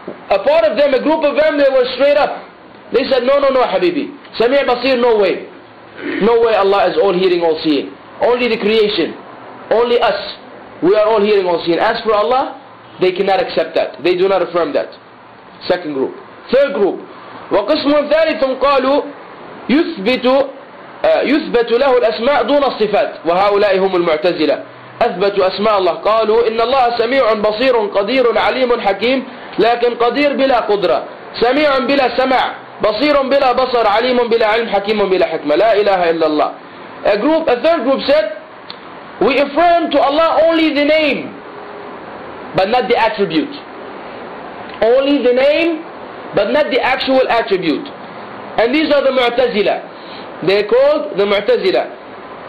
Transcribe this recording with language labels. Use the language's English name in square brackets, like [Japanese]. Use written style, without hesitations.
[English] A part of them, a group of them, they were straight up. They said, no, no, no, Habibi. Sami' Basir, no way. No way Allah is all hearing, all seeing. Only the creation. Only us. We are all hearing, all seeing. As for Allah, they cannot accept that. They do not affirm that. Second group. Third group. [Arabic] وقسم ثالث قالوا يثبت له الأسماء دون الصفات وهؤلاء هم المعتزلة أثبتوا أسماء الله قالوا إن الله سميع بصير قدير عليم حكيم لكن قدير بلا قدرة سميع بلا سمع بصير بلا بصر عليم بلا علم حكيم بلا حكمة لا إله إلا الله. [English] A group, a third group said, we affirm to Allah only the name but not the attribute. Only the name but not the actual attribute. And these are the Mu'tazila. They are called the Mu'tazila.